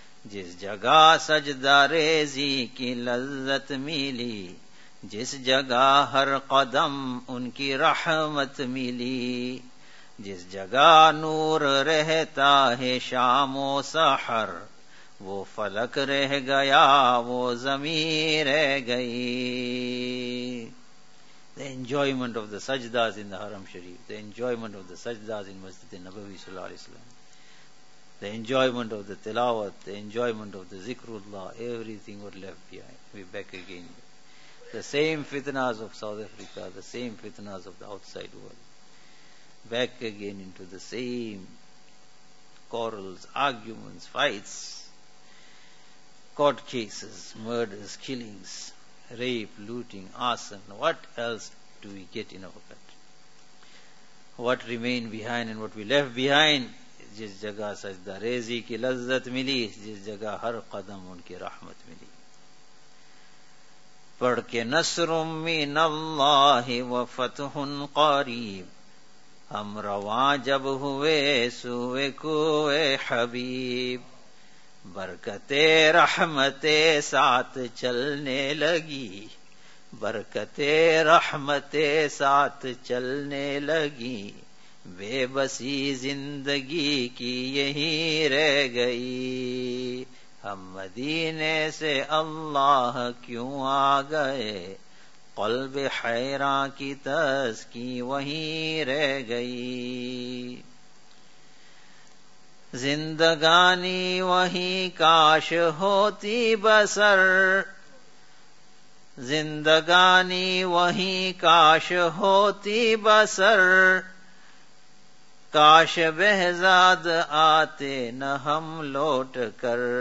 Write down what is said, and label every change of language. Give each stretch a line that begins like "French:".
Urdu: جس جگہ سجدہ ریزی کی لذت ملی، جس جگہ ہر قدم ان کی رحمت ملی، جس جگہ نور رہتا ہے شام و سحر، وہ فلک رہ گیا وہ زمین رہ گئی.
English: The enjoyment of the sajdas in the Haram Sharif, the enjoyment of the sajdas in Masjid Nabawi sallallahu alaihi wasallam, the enjoyment of the tilawat, the enjoyment of the zikrullah, everything were left behind. We back again. The same fitnas of South Africa, the same fitnas of the outside world. Back again into the same quarrels, arguments, fights, court cases, murders, killings, rape, looting, arson. What else do we get in our country? What remained behind and what we left behind?
Urdu: جس جگہ سجدہ ریزی کی لذت ملی، جس جگہ ہر قدم ان کی رحمت ملی. پڑھ کے
Arabic: نصر من اللہ و فتح قریب،
Urdu: ہم رواں جب ہوئے سوئے کوئے حبیب، برکتِ رحمتِ ساتھ چلنے لگی بے بسی زندگی کی یہی رہ گئی. ہم مدینے سے اللہ کیوں آ گئے، قلب حیران کی تسکی وہی رہ گئی. زندگانی وہی کاش ہوتی بسر، زندگانی وہی کاش ہوتی بسر، کاش بہزاد آتے نہ ہم لوٹ کر.